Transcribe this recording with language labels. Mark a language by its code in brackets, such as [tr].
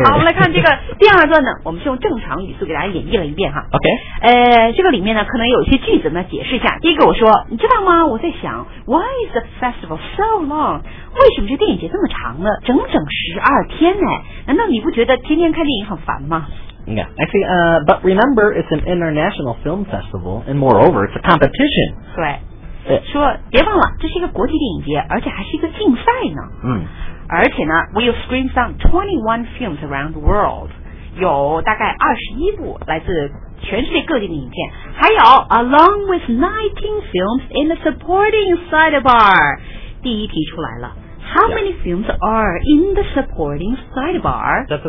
[zh] 好，我们来看这个第二段呢，我们是用正常语速给大家演绎了一遍哈。 [en] OK。 [zh] 这个里面呢，可能有一些句子呢，解释一下。第一个，我说你知道吗？我在想 [en] ，Why is the festival so long？ [zh] 为什么这电影节这么长呢？整整12天呢？难道你不觉得天天看电影很烦吗？ [en] Yeah, actually, but remember, it's an international film festival, and moreover, it's a competition. [zh] 对，说别忘了，这是一个国际电影节，而且还是一个竞赛呢。嗯，而且呢 [en] ，we'll screen some 21 films around the world. [zh] 有大概21部来自全世界各地的影片，还有 [en] along with 19 films in the supporting sidebar. [zh] 第一题出来了。 [en] How many films are in the supporting sidebar?